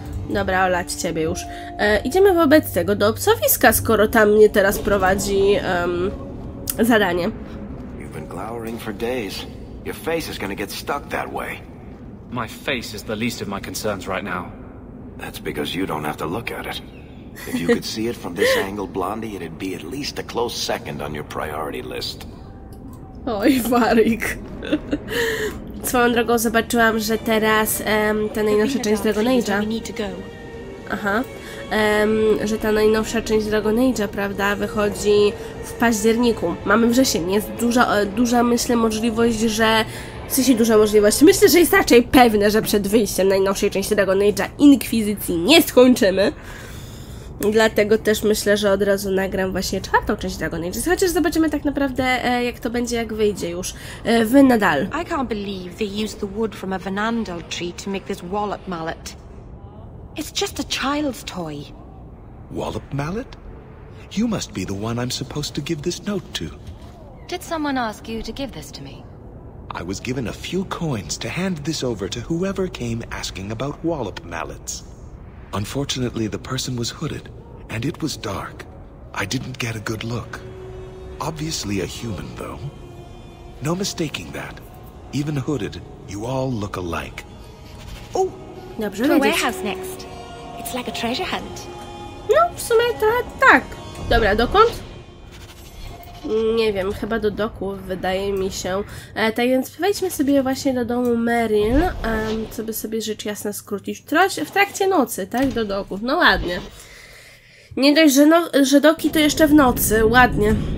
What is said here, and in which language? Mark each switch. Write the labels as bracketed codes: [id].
[pl] Dobra, olać ciebie już. Idziemy wobec tego do obcowiska, skoro tam mnie teraz prowadzi zadanie. [en] You've been glowering for days. Your face is gonna get stuck that way. My face is the least of my concerns right now. That's because you don't have to look at it. If you could see it from this angle, Blondie, it'd be at least a close second on your priority list. [pl] Oj, Warik. Swoją drogą zobaczyłam, że teraz ta najnowsza część Dragon Age'a. Aha. Że ta najnowsza część Dragon Age'a, prawda, wychodzi w październiku. Mamy wrzesień. Jest duża myślę, możliwość, że. W sensie duża możliwość. Myślę, że jest raczej pewne, że przed wyjściem najnowszej części Dragon Age'a Inkwizycji nie skończymy. Dlatego też myślę, że od razu nagram właśnie czwartą część Dragon Age. Chociaż zobaczymy tak naprawdę, jak to będzie, jak wyjdzie już. Wy nadal. [en] I can't believe they used the wood from a Vanandel tree to make this wallop mallet. It's just a child's toy. Wallop mallet? You must be the one I'm supposed to give this note to. Did someone ask you to give this to me? I was given a few coins to hand this over to whoever came asking about wallop mallets. Unfortunately, the person was hooded, and it was dark. I didn't get a good look. Obviously a human, though. No mistaking that. Even hooded, you all look alike. Oh! [pl] Dobrze, to [en] warehouse next. It's like a treasure hunt. [pl] No, w sumie to tak. Dobra, dokąd? nie wiem, chyba do doku, wydaje mi się. Tak więc wejdźmy sobie właśnie do domu Meryl, co by sobie rzecz jasna skrócić. W trakcie nocy, tak? Do doków. No ładnie. Nie dość, że, no, że doki to jeszcze w nocy. Ładnie.